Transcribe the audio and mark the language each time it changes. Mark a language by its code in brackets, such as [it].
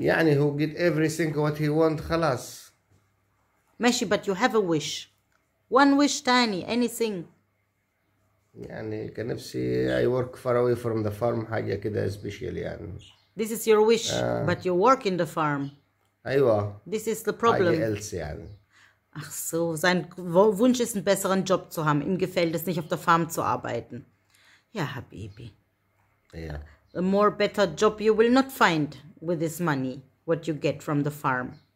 [ar] يعني [en] who get everything what he want, [ar] خلاص. ماشي, [en] but you have a wish. One wish, tiny, anything. [ar] يعني كنفسي [en] I work far away from the farm, [ar] حاجة كده [en] special [ar] يعني. [en] This is your wish, but you work in the farm. [ar] أيوة. [en] This is the problem. [ar] حاجة [en] else [ar] يعني. [de] Ach so, sein Wunsch ist, einen besseren Job zu haben. Ihm gefällt es nicht, auf der Farm zu arbeiten. Ja, Habibi. Ja. [en] A more better job you will not find with this money, what you get from the farm.